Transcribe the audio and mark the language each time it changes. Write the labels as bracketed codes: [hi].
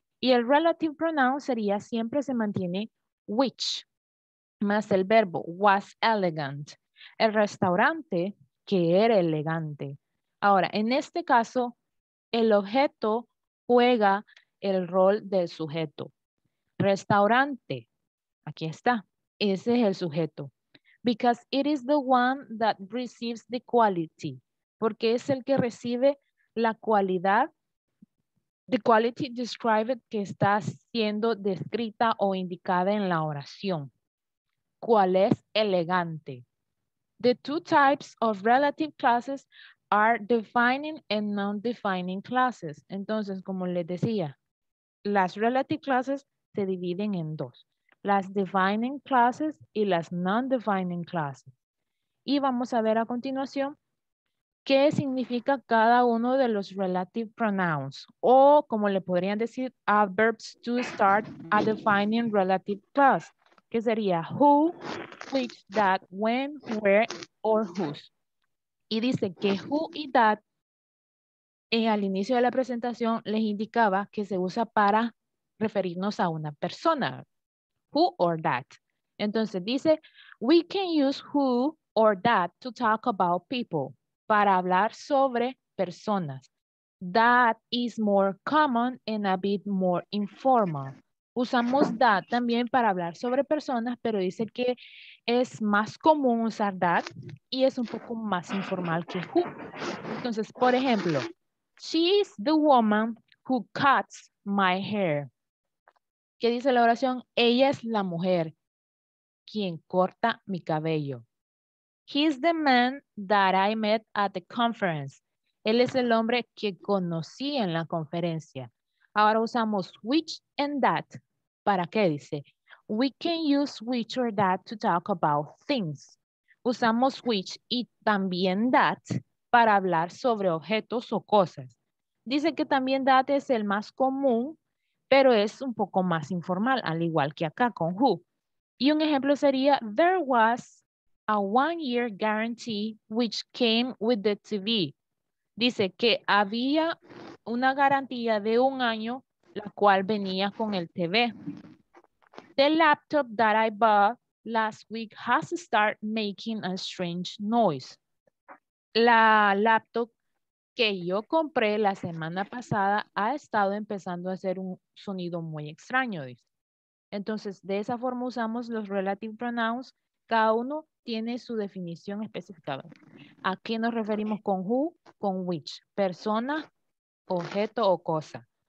[es] Y el relative pronoun sería, siempre se mantiene which, más el verbo, [en] was elegant. [es] El restaurante, que era elegante. Ahora, en este caso, el objeto juega el rol del sujeto. Restaurante, aquí está, ese es el sujeto. [en] Because it is the one that receives the quality. [es] Porque es el que recibe la cualidad. [en] The quality described [es] que está siendo descrita o indicada en la oración. ¿Cuál es elegante? [en] The two types of relative clauses are defining and non-defining clauses. [es] Entonces, como les decía, las relative clauses se dividen en dos. Las defining clauses y las non-defining clauses. Y vamos a ver a continuación qué significa cada uno de los relative pronouns. O como le podrían decir, adverbs to start a defining relative clause. Que sería who, which, that, when, where, or whose. Y dice que who y that, al inicio de la presentación, les indicaba que se usa para referirnos a una persona. [en] Who or that. [es] Entonces dice, [en] we can use who or that to talk about people. [es] Para hablar sobre personas. [en] That is more common and a bit more informal. [es] Usamos that también para hablar sobre personas, pero dice que es más común usar that y es un poco más informal que who. Entonces, por ejemplo, [en] she is the woman who cuts my hair. [es] ¿Qué dice la oración? Ella es la mujer quien corta mi cabello. [en] He's the man that I met at the conference. [es] Él es el hombre que conocí en la conferencia. Ahora usamos which and that. ¿Para qué dice? [en] We can use which or that to talk about things. [es] Usamos which y también that para hablar sobre objetos o cosas. Dice que también that es el más común, pero es un poco más informal, al igual que acá con who. Y un ejemplo sería, [en] there was a one-year guarantee which came with the TV. [es] Dice que había una garantía de un año la cual venía con el TV. [en] The laptop that I bought last week has started making a strange noise. [es] La laptop que yo compré la semana pasada ha estado empezando a hacer un sonido muy extraño. Entonces, de esa forma usamos los relative pronouns. Cada uno tiene su definición específica. ¿A qué nos referimos con who? Con which. Persona, objeto o cosa.